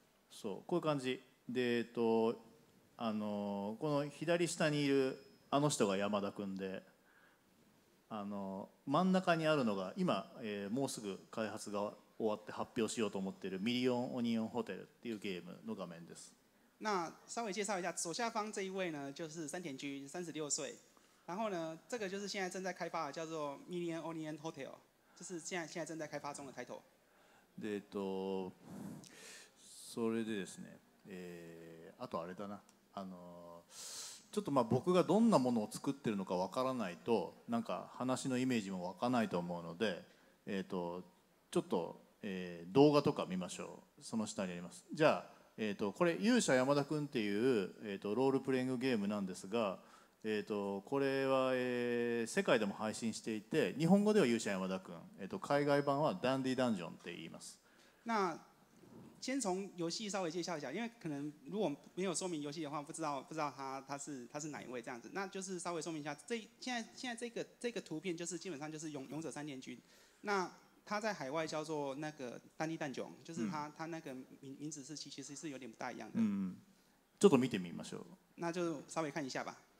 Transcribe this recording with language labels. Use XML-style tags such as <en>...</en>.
<ja>そう、こういう感じで、この左下にいるあの人が山田君で、真ん中にあるのが今、もうすぐ開発が終わって発表しようと思っているミリオンオニオンホテルっていうゲームの画面です。</ja> <zh>那稍微介绍一下，左下方这一位呢就是三田君，36岁，然后呢这个就是现在正在开发的叫做ミリオンオニオンホテル，就是现在正在开发中的 title。</zh> <ja>で、それでですね、あとあれだな、ちょっとまあ僕がどんなものを作ってるのかわからないと、なんか話のイメージもわかないと思うので、ちょっと、動画とか見ましょう。その下にあります。じゃあ、これ勇者山田くんっていう、ロールプレイングゲームなんですが、これは、世界でも配信していて、日本語では勇者山田くん、海外版はダンディダンジョンって言います。</ja> <zh>那先从游戏稍微介绍一下，因为可能如果没有说明游戏的话，不知道他是哪一位这样子。那就是稍微说明一下，现在这个图片就是基本上就是勇者三田君，那他在海外叫做那个丹尼丹囧，就是他那个名字是其实是有点不大一样的。</zh> <ja>ちょっと見てみましょう。</ja> <zh>那就稍微看一下吧。</zh>